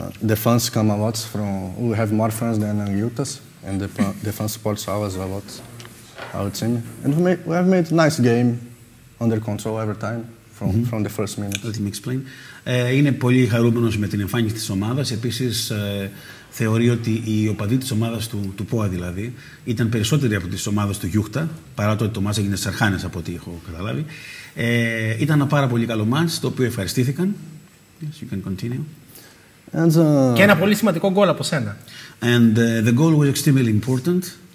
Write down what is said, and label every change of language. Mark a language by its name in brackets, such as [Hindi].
[English] The fans come a lot from. We have more fans than Angiotas, and the fans support us a lot, our team. And we have made a nice game under control every time. From the first minute. Let me explain. [Greek] Είναι πολύ χαρούμενος με την εμφάνιση της ομάδας. Επίσης, θεωρεί ότι οι οπαδοί της ομάδας του ΠΟΑ δηλαδή ήταν περισσότεροι από τις ομάδες του Γιούχτα, παρά το ότι το μάτς έγινε στις Αρχάνες, από ό,τι έχω καταλάβει. Ήταν ένα πάρα πολύ καλό μάτς, το οποίο ευχαριστήθηκαν. [English] Yes, you can continue. And, [Greek] και ένα πολύ σημαντικό γκολ από σένα. [English] And the goal was extremely important.